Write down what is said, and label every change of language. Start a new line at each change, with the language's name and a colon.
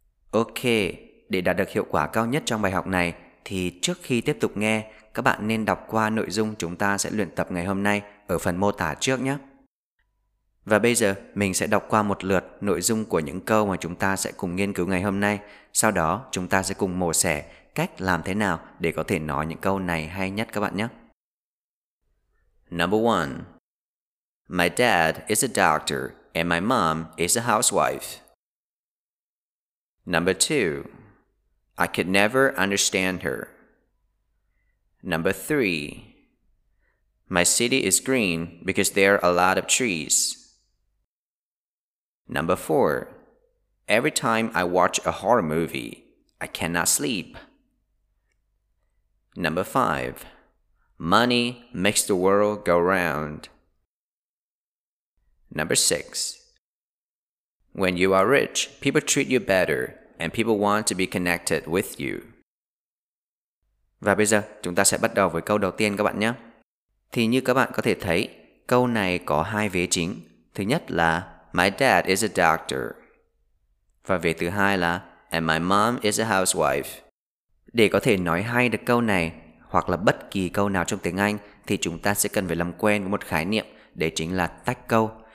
Vietnamese: Ok, để đạt được hiệu quả cao nhất trong bài học này thì trước khi tiếp tục nghe, các bạn nên đọc qua nội dung chúng ta sẽ luyện tập ngày hôm nay ở phần mô tả trước nhé. Và bây giờ mình sẽ đọc qua một lượt nội dung của những câu mà chúng ta sẽ cùng nghiên cứu ngày hôm nay. Sau đó chúng ta sẽ cùng mổ xẻ cách làm thế nào để có thể nói những câu này hay nhất các bạn nhé.
English: Number 1. My dad is a doctor and my mom is a housewife. Number 2. I could never understand her. Number 3. My city is green because there are a lot of trees. Number 4. Every time I watch a horror movie, I cannot sleep. Number 5. Money makes the world go round. Number 6. When you are rich, people treat you better and people want to be connected with you.
Vietnamese: Và bây giờ chúng ta sẽ bắt đầu với câu đầu tiên các bạn nhé. Thì như các bạn có thể thấy, câu này có hai vế chính. Thứ nhất là
English: My dad is a doctor.
Vietnamese: Và vế thứ hai là
English: And my mom is a housewife.
Vietnamese: Để có thể nói hay được câu này hoặc là bất kỳ câu nào trong tiếng Anh thì chúng ta sẽ cần phải làm quen với một khái niệm, đấy chính là tách câu.